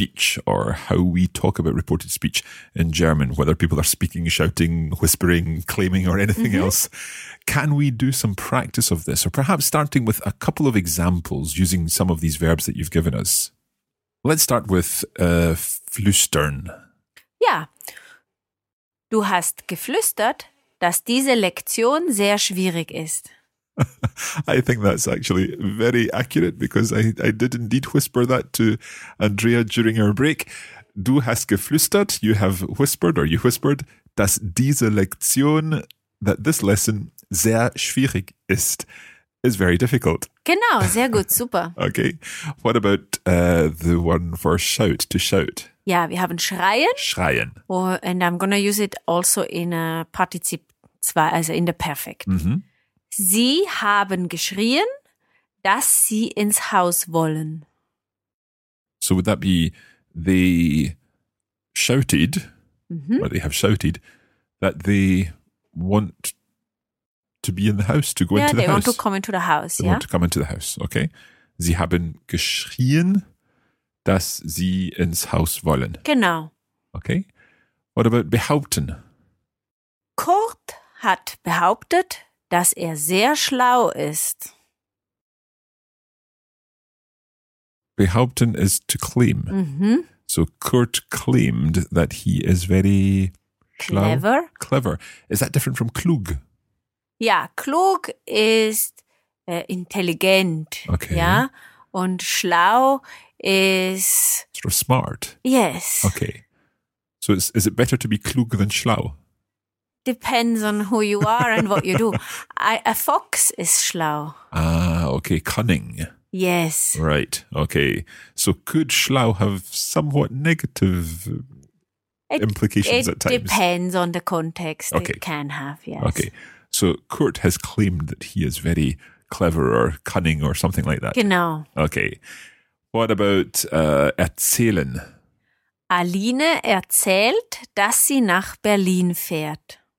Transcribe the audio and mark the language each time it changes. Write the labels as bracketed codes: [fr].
[en] speech or how we talk about reported speech in German, whether people are speaking, shouting, whispering, claiming or anything mm-hmm. else. Can we do some practice of this? Or perhaps starting with a couple of examples using some of these verbs that you've given us. Let's start with flüstern. [de] Ja, du hast geflüstert, dass diese Lektion sehr schwierig ist. [en] I think that's actually very accurate because I did indeed whisper that to Andrea during our break. [de] Du hast geflüstert, [en] you have whispered or you whispered, [de] dass diese Lektion, [en] that this lesson, [de] sehr schwierig ist, [en] is very difficult. [de] Genau, sehr gut, super. [en] Okay, what about the one for shout, to shout? [de] Ja, wir haben schreien. Schreien. [en] Oh, and I'm going to use it also in a Partizip 2, also in the perfect. Mhm. [de] Sie haben geschrien, dass sie ins Haus wollen. [en] So would that be they shouted, mm-hmm. or they have shouted, that they want to be in the house, to go yeah, into the house? Yeah, they want to come into the house, They want to come into the house, okay. [de] Sie haben geschrien, dass sie ins Haus wollen. Genau. [en] Okay. What about behaupten? [de] Kurt hat behauptet, dass er sehr schlau ist. [en] Behaupten is to claim. Mm-hmm. So Kurt claimed that he is very schlau. Clever. Clever. Is that different from klug? [de] Ja, klug ist intelligent. [en] Okay. [de] Ja? Und schlau ist... [en] Sort of smart. Yes. Okay. So is it better to be klug than schlau? Depends on who you are and what you do. A fox is schlau. Ah, okay. Cunning. Yes. Right. Okay. So could schlau have somewhat negative implications at times? It depends on the context okay. it can have, yes. Okay. So Kurt has claimed that he is very clever or cunning or something like that. [de] Genau. [en] Okay. What about erzählen? [de] Aline erzählt, dass sie nach Berlin fährt.